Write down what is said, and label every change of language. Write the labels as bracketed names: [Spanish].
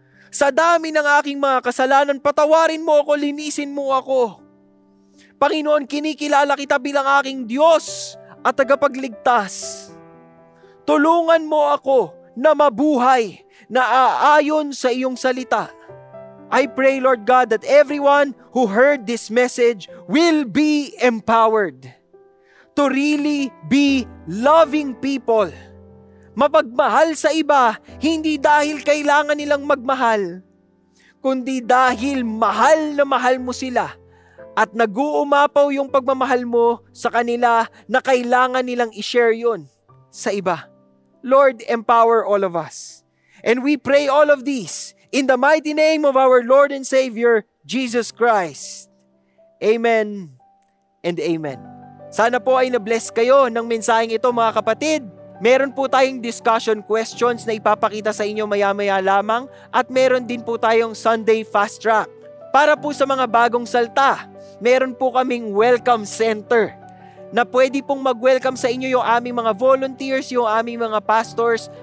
[Filipino] Sa dami ng aking mga kasalanan, patawarin mo ako, linisin mo ako. Panginoon, kinikilala kita bilang aking Diyos at tagapagligtas. Tulungan mo ako na mabuhay, na aayon sa iyong salita. [English] I pray, Lord God, that everyone who heard this message will be empowered to really be loving people. [Filipino] Mapagmahal sa iba, hindi dahil kailangan nilang magmahal, kundi dahil mahal na mahal mo sila at nag-uumapaw yung pagmamahal mo sa kanila na kailangan nilang i-share yun sa iba. [English] Lord, empower all of us. And we pray all of these in the mighty name of our Lord and Savior, Jesus Christ. Amen and amen. [Filipino] Sana po ay na-bless kayo ng mensaheng ito, mga kapatid. Meron po tayong discussion questions na ipapakita sa inyo maya-maya lamang. At meron din po tayong Sunday Fast Track. Para po sa mga bagong salta, meron po kaming Welcome Center na pwede pong mag-welcome sa inyo yung aming mga volunteers, yung aming mga pastors.